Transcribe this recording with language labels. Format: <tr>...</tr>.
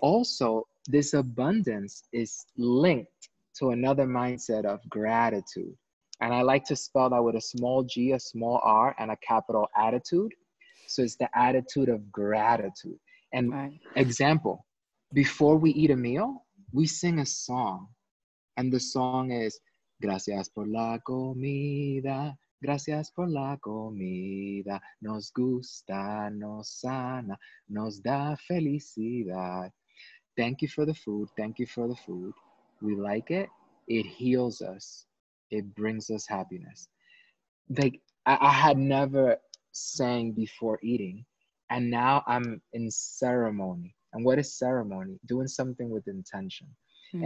<en>Also, this abundance is linked to another mindset of gratitude. And I like to spell that with a small G, a small R, and a capital attitude. So it's the attitude of gratitude. And example, before we eat a meal, we sing a song. And the song is,</en> <es>gracias por la comida, gracias por la comida, nos gusta, nos sana, nos da felicidad.</es> <en>Thank you for the food, thank you for the food. We like it. It heals us. It brings us happiness. Like I had never sang before eating, and now I'm in ceremony. And what is ceremony? Doing something with intention. Mm-hmm.</en>